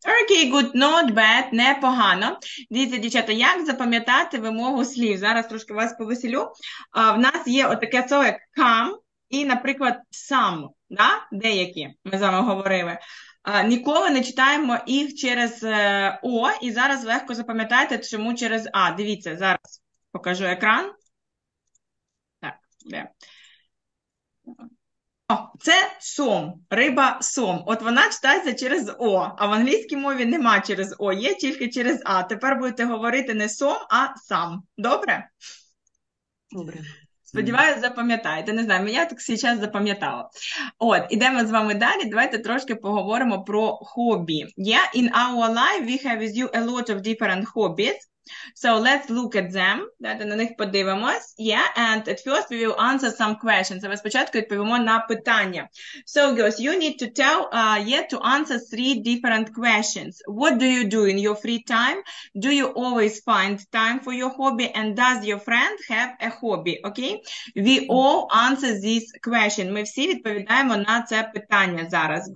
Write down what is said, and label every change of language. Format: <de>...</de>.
<en>Окей, гуд, нот бед,</en> <uk>непогано. Дивіться, дівчата, як запам'ятати вимогу слів? Зараз трошки вас повеселю. В нас є отаке слово як come і, наприклад, some, да? Деякі, ми з вами говорили. Ніколи не читаємо їх через о, і зараз легко запам'ятати, чому через а. Дивіться, зараз покажу екран. Де? О, це сом, риба сом. От вона читається через о, а в англійській мові нема через о, є тільки через а. Тепер будете говорити не сом, а сам. Добре? Добре. Сподіваюся, запам'ятаєте. Не знаю, я так зараз запам'ятала. От, ідемо з вами далі. Давайте трошки поговоримо про хобі.</uk> <en>Yeah, in our life we have with you a lot of different hobbies. So let's look at them.</en> <uk>Давайте на них подивимось.</uk> <en>Yeah, and at first we will answer some questions.</en> <uk>Але спочатку відповімо на питання.</uk> <en>So, girls, you need to tell, yeah, to answer three different questions. What do you do in your free time? Do you always find time for your hobby? And does your friend have a hobby? Okay? We all answer this question.</en> <uk>Ми всі відповідаємо на це питання зараз.</uk>